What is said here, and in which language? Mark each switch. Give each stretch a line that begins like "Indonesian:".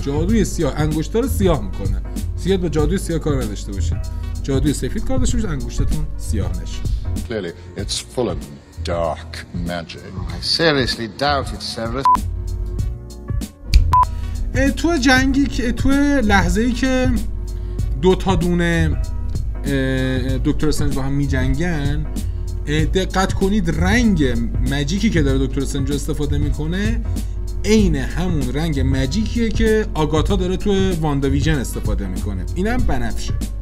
Persian: جادوی سیاه انگشتا رو سیاه میکنه. سیاه با جادوی سیاه کار نداشته باشه. جادوی سفید کار داشته باشه انگشتتون سیاه نشه.
English: Clearly it's full of dark magic. I seriously doubt it, Severus.
Persian: تو جنگی که تو لحظه‌ای که دو تا دونه دکتر استرنج با هم می‌جنگن، دقت کنید رنگ ماجیکی که داره دکتر استرنج استفاده میکنه عین همون رنگ ماجیکیه که آگاتا داره تو واندا ویژن استفاده میکنه، اینم بنفشه.